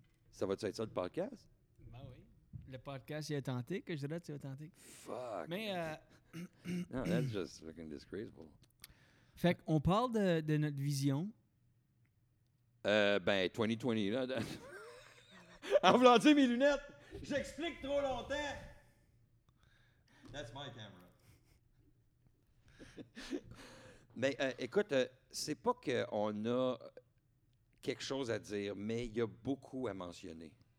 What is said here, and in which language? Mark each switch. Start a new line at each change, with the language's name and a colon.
French: Ça va-tu être ça, le podcast? Ben oui. Le podcast est authentique, je dirais que c'est authentique. Fuck! Mais...
English: non, that's just fucking disgraceful.
French: Fait qu'on parle de notre vision. Ben, 2020, là. En voulant dire mes lunettes, j'explique trop longtemps!
English: That's my camera.
French: Mais écoute, c'est pas qu'on a... quelque chose à dire, mais il y a beaucoup à mentionner.